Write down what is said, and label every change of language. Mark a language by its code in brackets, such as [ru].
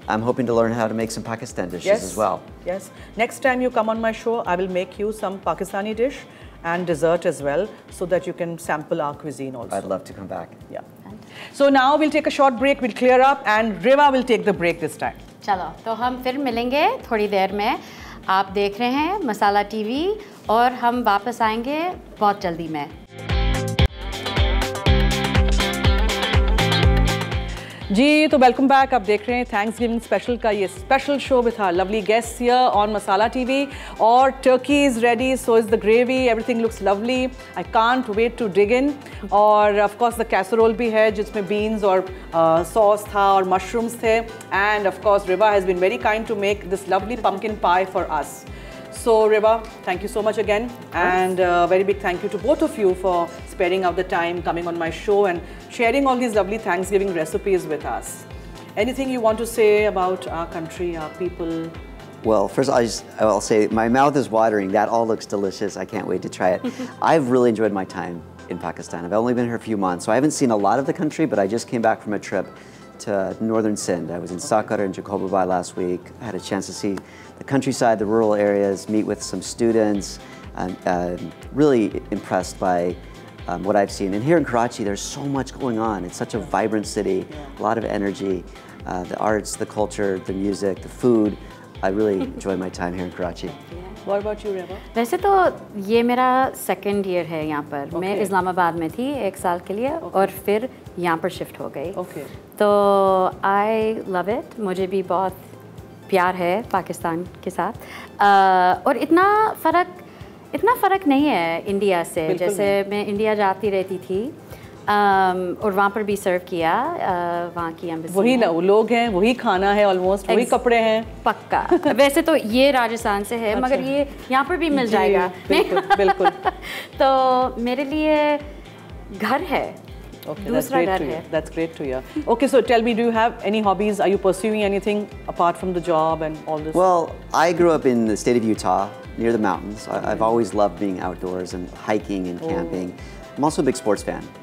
[en] I'm hoping to learn how to make some Pakistan dishes as well. Yes. Next time you come on my show, I will make you some Pakistani dish and dessert as well so that you can sample our cuisine also. I'd love to come back. Yeah. So now we'll take a short break. We'll clear up and Reva will take the break this time. [hi] चलो तो हम फिर मिलेंगे थोड़ी देर में आप देख रहे हैं मसाला टीवी और हम वापस आएंगे बहुत जल्दी में जी तो [en] welcome back [hi] आप देख रहे हैं [en] Thanksgiving special का ये special show with our lovely guest here on Masala TV और turkey is ready so is the gravy everything looks lovely I can't wait to dig in और of course the casserole [hi] भी है जिसमें [en] Beans और sauce था और मशरूम्स थे and of course Reva has been very kind to make this lovely pumpkin pie for us So, Reva, thank you so much again. And a very big thank you to both of you for sparing out the time, coming on my show and sharing all these lovely Thanksgiving recipes with us. Anything you want to say about our country, our people? Well, first of all, I'll say my mouth is watering. That all looks delicious. I can't wait to try it. I've really enjoyed my time in Pakistan. I've only been here a few months, so I haven't seen a lot of the country, but I just came back from a trip to northern Sindh. I was in Sakhar and Jacobabad last week. I had a chance to see the countryside, the rural areas, meet with some students. I'm really impressed by what I've seen. And here in Karachi, there's so much going on. It's such a vibrant city, a lot of energy, the arts, the culture, the music, the food. I really enjoy my time here in Karachi. What about you, Reva? [hi] वैसे तो ये मेरा [en] second year [hi] है यहाँ पर. मैं इस्लामाबाद में थी एक साल के लिए और फिर यहाँ पर shift हो गई. [en] Okay. तो I love it. [hi] मुझे भी बहुत प्यार है पाकिस्तान के साथ और इतना फ़र्क नहीं है इंडिया से जैसे मैं इंडिया जाती रहती थी और वहाँ पर भी सर्व किया वहाँ की एम्बेसी वही ना वो लोग हैं वही खाना है ऑलमोस्ट वही कपड़े हैं पक्का वैसे तो ये राजस्थान से है मगर ये यहाँ पर भी मिल जाएगा बिल्कुल तो मेरे लिए घर है [en] Okay, that's great to hear. That's great to hear. Okay, so tell me, do you have any hobbies? Are you pursuing anything apart from the job and all this? Well, I grew up in the state of Utah, near the mountains. I've always loved being outdoors and hiking and camping. I'm also a big sports fan.